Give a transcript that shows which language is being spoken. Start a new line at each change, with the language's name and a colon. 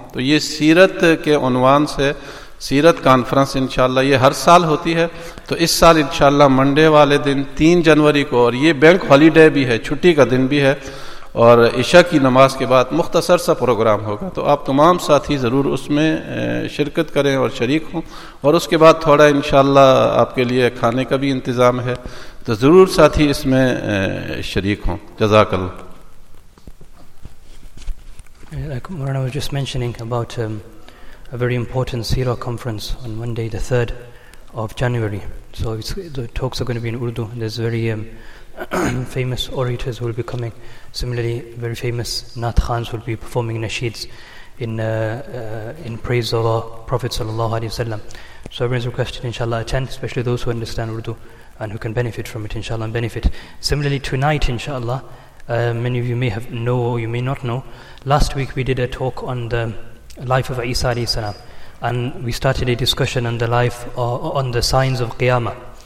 Urdu: تو یہ سیرت کے عنوان سے سیرت کانفرنس انشاءاللہ یہ ہر سال ہوتی ہے, تو اس سال انشاءاللہ منڈے والے دن 3 جنوری کو, اور یہ بینک ہالیڈے بھی ہے, چھٹی کا دن بھی ہے, اور عشاء کی نماز کے بعد مختصر سا پروگرام ہوگا. تو آپ تمام ساتھی ضرور اس میں شرکت کریں اور شریک ہوں, اور اس کے بعد تھوڑا انشاءاللہ آپ کے لیے کھانے کا بھی انتظام ہے, تو ضرور ساتھی اس میں شریک ہوں. جزاک اللہ.
English: Maulana was just mentioning about a very important Seerah conference on Monday the 3rd of January, so the talks are going to be in Urdu, there is very famous orators will be coming. Similarly, very famous Nat Khans will be performing nasheeds in praise of our Prophet sallallahu alaihi wasallam. So everyone's requested, inshallah, attend, especially those who understand Urdu and who can benefit from it, inshallah, and benefit. Similarly, tonight, inshallah, many of you may have know or you may not know, last week we did a talk on the life of Isa alayhi salam, and we started a discussion on the life on the signs of Qiyamah.